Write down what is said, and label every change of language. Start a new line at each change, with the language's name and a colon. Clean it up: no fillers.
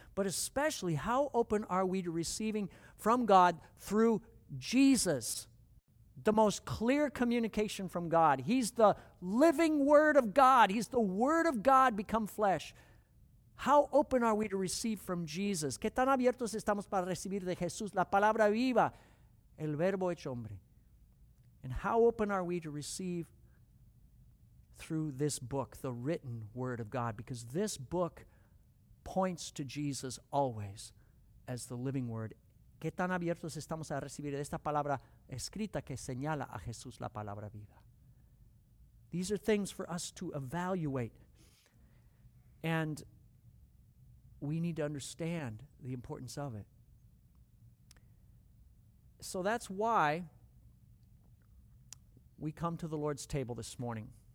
English: But especially, how open are we to receiving from God through Jesus, the most clear communication from God? He's the living Word of God. He's the Word of God become flesh. How open are we to receive from Jesus?
Spanish: ¿Qué tan abiertos estamos para recibir de Jesús? La palabra viva, el verbo hecho hombre.
English: And how open are we to receive through this book, the written Word of God? Because this book points to Jesus always as the living Word.
Spanish: ¿Qué tan abiertos estamos a recibir de esta palabra escrita que señala a Jesús, la palabra viva?
English: These are things for us to evaluate. And we need to understand the importance of it. So that's why we come to the Lord's table this morning.